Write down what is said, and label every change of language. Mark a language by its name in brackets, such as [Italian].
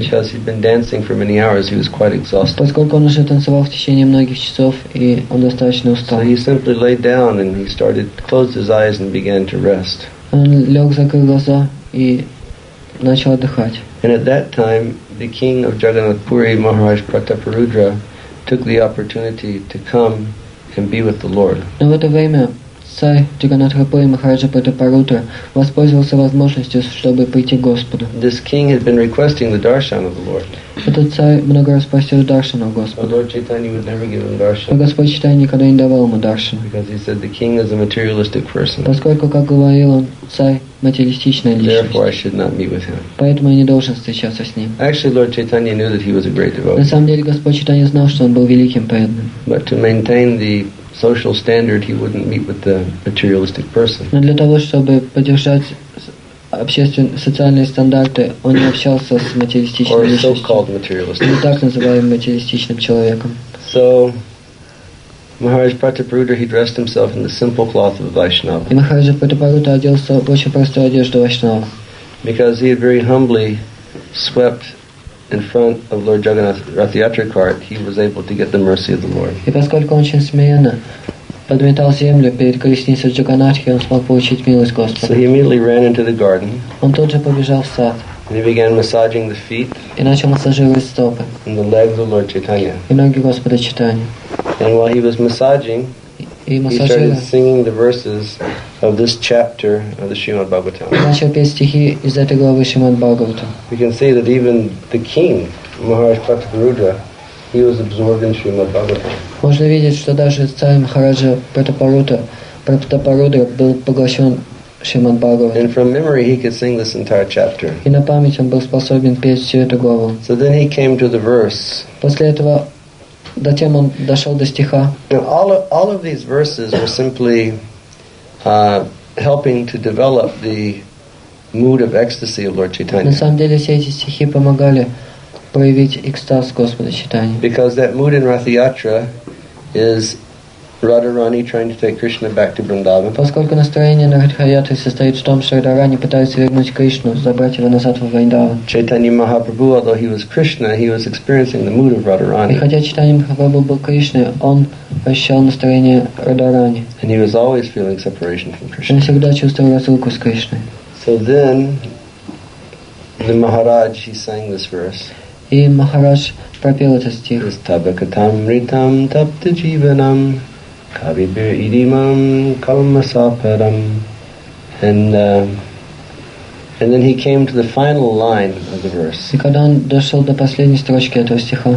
[English] Because he'd been dancing for many hours, he was quite exhausted. [Russian] Поскольку он уже танцевал в течение многих часов, и он достаточно устал. [English] So he simply lay down and he started closed his eyes and began to rest. [Russian] Он лег, закрыл глаза и начал отдыхать. [English] And at that time, the king of Jagannath Puri, Maharaj Prataparudra, took the opportunity to come and be with the Lord. [Russian] Но в это время царь Джаганатхапури Махараджа Пратапарудра воспользовался возможностью, чтобы прийти к Господу. [English] This king had been requesting the darshan of the Lord. [Russian] Этот царь много раз просил даршана у Господа. [English] Lord Chaitanya would never give him darshan. [Russian] Но Господь Читания никогда не давал ему даршан. [English] Because he said the king is a materialistic person. [Russian] Поскольку, как говорил он, царь материалистичная личность. [English] Therefore, I should not meet with him. [Russian] Поэтому я не должен встречаться с ним. [English] Actually, Lord Chaitanya knew that he was a great devotee. [Russian] На самом деле, Господь Читания знал, что он был великим преданным. [English] But to maintain the social standard, he wouldn't meet with the materialistic person. [Russian] Но для того, чтобы поддержать общественные социальные стандарты, он не общался с материалистичным человеком. [English] Or so-called materialistic. [Russian] Так называемым материалистичным человеком. [English] So, Maharaj Prataparudra, he dressed himself in the simple cloth of a Vaishnava. [Russian] И Maharaj Prataparudra оделся в очень простую одежду Вайшнава. [English] Because he had very humbly swept in front of Lord Jagannath Rath Yatra cart, he was able to get the mercy of the Lord. [Russian] И поскольку он очень смиренно подметал землю перед колесницей Джаганатхи, он смог получить милость Господа. [English] So he immediately ran into the garden. [Russian] Он тут же побежал в сад. [English] And he began massaging the feet. [Russian] И начал массажировать стопы. [English] And the legs of Lord Chaitanya. [Russian] И ноги Господа Читания. [English] And while he was massaging, he started singing the verses of this chapter of the Srimad Bhagavatam. [Russian] Начал петь стихи из этой главы Шримад Бхагавата. [English] We can see that even the king, Maharaj Prataparudra, he was absorbed in Srimad Bhagavatam. [Russian] Можно видеть, что даже царь Махараджа Пратапарудра был поглощен Шримад Бхагаватам. [English] And from memory he could sing this entire chapter. [Russian] И на память он был способен петь всю эту главу. [English] So then he came to the verse. [Russian] После этого затем он дошел до стиха. [English] Now, all of these verses were simply helping to develop the mood of ecstasy of Lord Chaitanya. [Russian] На самом деле все эти стихи помогали проявить экстаз Господа Читания. [English] Because that mood in Rath Yatra is Radharani trying to take Krishna back to Vrindavan. [Russian] Поскольку настроение на Ратха Ятре состоит в том, что Радхарани пытается вернуть Кришну, забрать его назад в Вриндаван. [English] Chaitanya Mahaprabhu, although he was Krishna, he was experiencing the mood of Radharani. [Russian] И хотя Chaitanya Mahaprabhu был Кришной, он ощущал настроение Радхарани. [English] And he was always feeling separation from Krishna. [Russian] Он всегда чувствовал разлуку с Кришной. [English] So then, the Maharaj, he sang this verse. [Russian] И Махарадж пропел этот стих. [Sanskrit] Tabakatam ritam tapta jivanam kavibir idimam kalmasaparam. [English] And then he came to the final line of the verse. [Russian] И когда он дошел до последней строчки этого стиха.